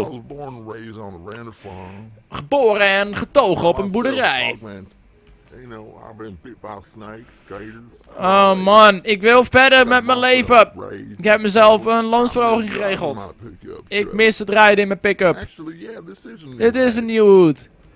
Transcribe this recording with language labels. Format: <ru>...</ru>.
<en>I was born and raised on a random farm.</en> <nl>Geboren en getogen op een boerderij.</nl> <en>You know, I've been bit by snakes, gators.</en> <nl>Oh man, ik wil verder met mijn leven. Ik heb mezelf een loonsverhoging geregeld. Ik mis het rijden in mijn pick-up. Dit is een nieuwe hoed.</nl>